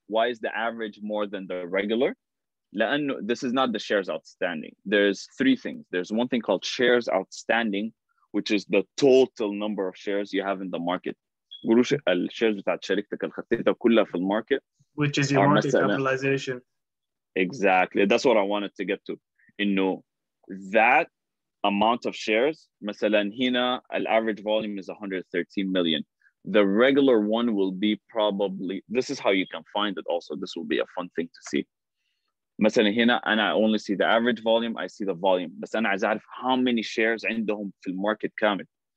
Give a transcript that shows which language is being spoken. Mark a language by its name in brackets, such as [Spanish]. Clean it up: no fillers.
[English] Why is the average more than the regular? [Arabic] لأنه, [English] this is not the shares outstanding. There's three things. There's one thing called shares outstanding, which is the total number of shares you have in the market. [Arabic] قروش الشيرز بتاعت شركتك اللي خطيتها كلها في الماركت. [English] Which is your market capitalization. Exactly. That's what I wanted to get to. [Arabic] إنه [English] that amount of shares, [Arabic] مثلا هنا [English] الaverage volume is 113 million. The regular one will be probably, this is how you can find it also. This will be a fun thing to see. [Arabic] مثلا هنا أنا [English] only see the average volume, I see the volume. [Arabic] بس أنا عايز أعرف [English] how many shares [Arabic] عندهم في الماركت كامل.